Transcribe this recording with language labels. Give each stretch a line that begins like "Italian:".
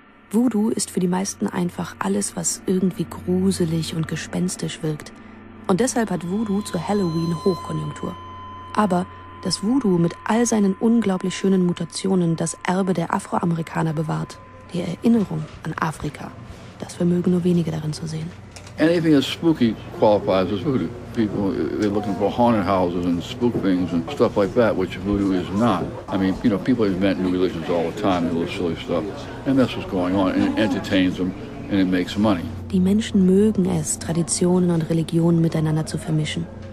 German: Voodoo ist für die meisten einfach alles, was irgendwie gruselig und gespenstisch wirkt. Und deshalb hat Voodoo zur Halloween Hochkonjunktur. Aber dass Voodoo mit all seinen unglaublich schönen Mutationen das Erbe der Afroamerikaner bewahrt, die Erinnerung an Afrika, das vermögen nur wenige darin zu sehen.
English: Anything that's spooky qualifies as Voodoo. People, they're looking for haunted houses and spook things and stuff like that, which Voodoo is not. I mean, you know, people invent new religions all the time, little silly stuff. And that's what's going on. And it entertains them and it makes money.
German: Die Menschen mögen es, Traditionen und Religionen miteinander zu vermischen.